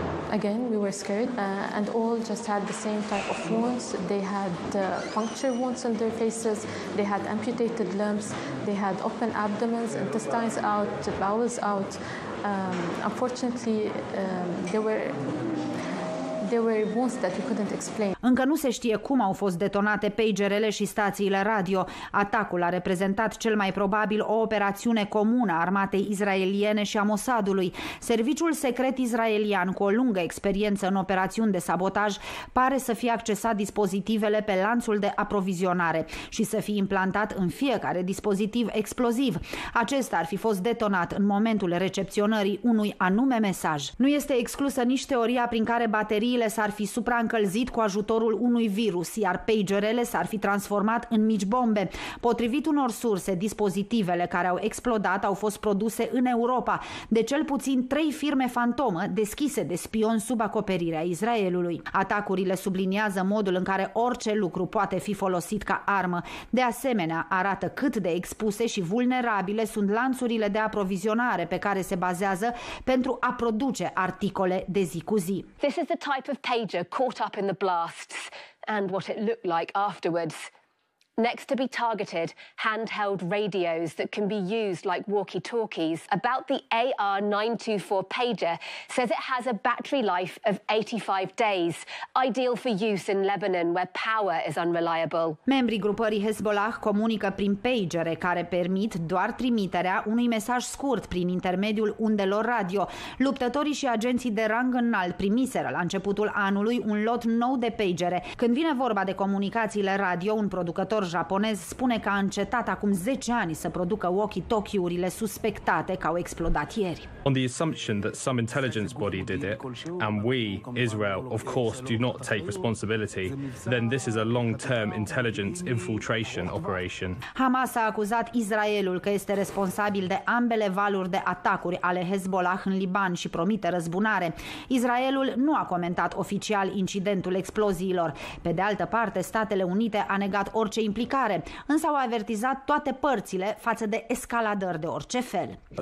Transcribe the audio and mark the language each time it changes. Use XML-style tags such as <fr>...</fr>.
<en>Again, we were scared, and all just had the same type of wounds. They had puncture wounds on their faces. They had amputated limbs. They had open abdomens, intestines out, bowels out. Unfortunately, there were wounds that we couldn't explain.</en> <ro>Încă nu se știe cum au fost detonate pagerele și stațiile radio. Atacul a reprezentat cel mai probabil o operațiune comună a armatei israeliene și a Mossadului. Serviciul secret israelian, cu o lungă experiență în operațiuni de sabotaj, pare să fie accesat dispozitivele pe lanțul de aprovizionare și să fie implantat în fiecare dispozitiv exploziv. Acesta ar fi fost detonat în momentul recepționării unui anume mesaj. Nu este exclusă nici teoria prin care bateriile s-ar fi supraîncălzit cu ajutorul unui virus, iar pagerele s-ar fi transformat în mici bombe. Potrivit unor surse, dispozitivele care au explodat au fost produse în Europa, de cel puțin 3 firme fantomă deschise de spion sub acoperirea Israelului. Atacurile subliniază modul în care orice lucru poate fi folosit ca armă. De asemenea, arată cât de expuse și vulnerabile sunt lanțurile de aprovizionare pe care se bazează pentru a produce articole de zi cu zi.</ro> <en>This is the type of pager caught up in the blasts and what it looked like afterwards. Next to be targeted, handheld radios that can be used like walkie-talkies. About the AR-924 pager, says it has a battery life of 85 days, ideal for use in Lebanon where power is unreliable.</en> <ro>Membrii grupării Hezbollah comunică prin pagere care permit doar trimiterea unui mesaj scurt prin intermediul undelor radio. Luptătorii și agenții de rang înalt primiseră la începutul anului un lot nou de pagere. Când vine vorba de comunicațiile radio, un producător japonez spune că a încetat acum 10 ani să producă walkie-talkie-urile suspectate că au explodat ieri.</ro> <en>On the assumption that some intelligence body did it, and we, Israel, of course, do not take responsibility, then this is a long-term intelligence infiltration operation.</en> <ro>Hamas a acuzat Israelul că este responsabil de ambele valuri de atacuri ale Hezbollah în Liban și promite răzbunare. Israelul nu a comentat oficial incidentul exploziilor. Pe de altă parte, Statele Unite a negat orice implicare, însă au avertizat toate părțile față de escaladări de orice fel.</ro>